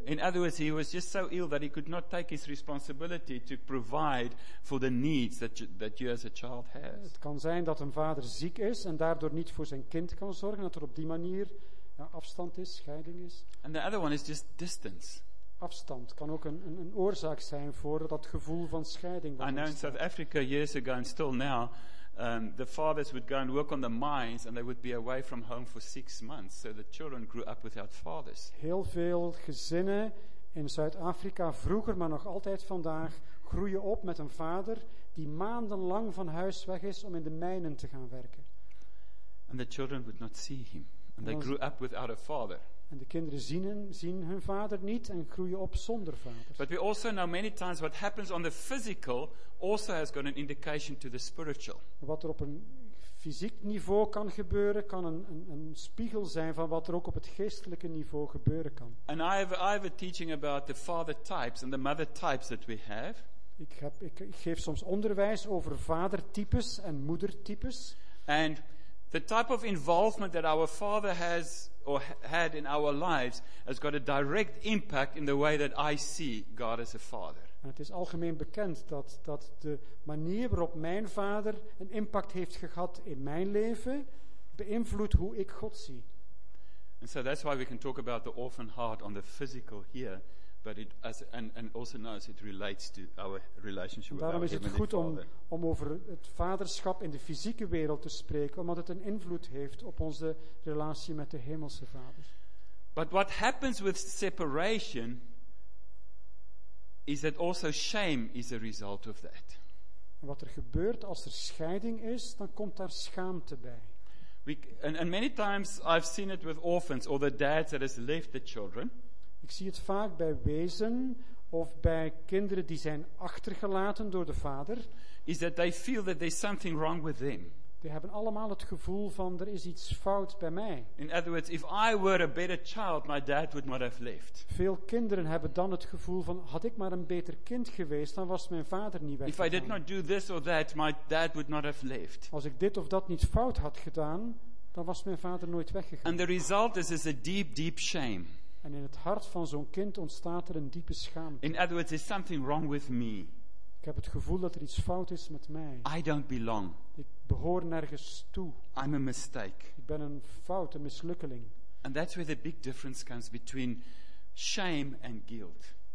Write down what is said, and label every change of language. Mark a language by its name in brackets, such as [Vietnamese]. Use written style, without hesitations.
[English] In other words, he was just so ill that he could not take his responsibility to provide for the needs that you as a child has. [Dutch] Het kan zijn dat een vader ziek is en daardoor niet voor zijn kind kan zorgen. Dat er op die manier afstand is, scheiding is. [English] And the other one is just distance. [Dutch] Afstand kan ook een oorzaak zijn voor dat gevoel van scheiding. [English] I know in South Africa years ago and still now, the fathers would go and work on the mines and they would be away from home for 6 months, so the children grew up without fathers. [Dutch] Heel veel gezinnen in Zuid-Afrika vroeger, maar nog altijd vandaag, groeien op met een vader die maandenlang van huis weg is om in de mijnen te gaan werken. [English] And the children would not see him, and they grew up without a father. [Dutch] En de kinderen zien hun vader niet en groeien op zonder vader. [English] But we also know many times what happens on the physical also has got an indication to the spiritual. [Dutch] Wat er op een fysiek niveau kan gebeuren, kan een spiegel zijn van wat er ook op het geestelijke niveau gebeuren kan. [English] And I have a teaching about the father types and the mother types that we have. [Dutch] Ik geef soms onderwijs over vadertypes en moedertypes. [English] And the type of involvement that our father has or had in our lives has got a direct impact in the way that I see God as a father. [Dutch] En het is algemeen bekend dat de manier waarop mijn vader een impact heeft gehad in mijn leven beïnvloedt hoe ik God zie. [English] And so that's why we can talk about the orphan heart on the physical here. But it as and also knows it relates to our relationship with our [Dutch] Daarom is het goed om over het vaderschap in de fysieke wereld te spreken, omdat het een invloed heeft op onze relatie met de hemelse Vader. [English] But what happens with separation is that also shame is a result of that. [Dutch] En wat er gebeurt als er scheiding is, dan komt daar schaamte bij. [English] And many times I've seen it with orphans or the dads that has left the children. [Dutch] Ik zie het vaak bij wezen of bij kinderen die zijn achtergelaten door de vader, [English] is that they feel that there's something wrong with them. [Dutch] Die hebben allemaal het gevoel van er is iets fout bij mij. [English] In other words, if I were a better child, my dad would not have left. [Dutch] Veel kinderen hebben dan het gevoel van had ik maar een beter kind geweest, dan was mijn vader niet weggegaan. [English] If I did not do this or that, my dad would not have left. [Dutch] Als ik dit of dat niet fout had gedaan, dan was mijn vader nooit weggegaan. [English] And the result is a deep, deep shame. [Dutch] En in het hart van zo'n kind ontstaat er een diepe schaamte. [English] In other words, is something wrong with me. [Dutch] Ik heb het gevoel dat er iets fout is met mij. [English] I don't belong. [Dutch] Ik behoor nergens toe. [English] I'm a mistake. [Dutch] Ik ben een fout, een mislukkeling. [English] And that's where the big difference comes between shame and guilt.